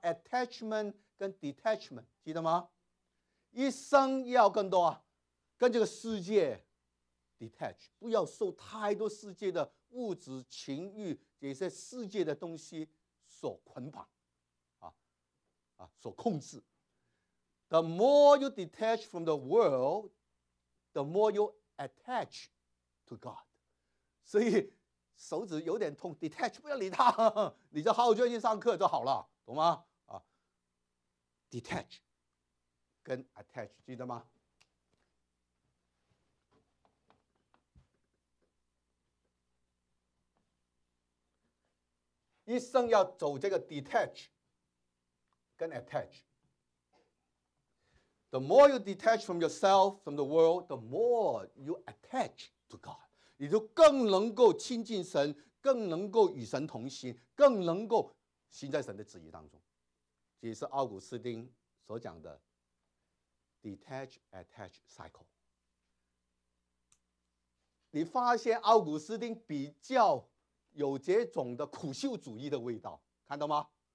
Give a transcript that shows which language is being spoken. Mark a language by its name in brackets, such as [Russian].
[Chinese] Attachment 跟 Detachment， 记得吗？一生要更多，跟这个世界 Detach， 不要受太多世界的物质、情欲这些世界的东西所捆绑，所控制。 [English] The more you detach from the world, the more you attach to God. [Chinese] 所以手指有点痛， detach 不要理他，你就好好专心上课就好了，懂吗？ detach 跟 attach 记得吗？一生要走这个 detach 跟 attach。 [English] The more you detach from yourself, from the world, the more you attach to God. [Chinese] 你就更能够亲近神，更能够与神同行，更能够行在神的旨意当中。这是奥古斯丁所讲的 [English] detach-attach cycle。 [Chinese] 你发现奥古斯丁比较有这种的苦修主义的味道，看到吗？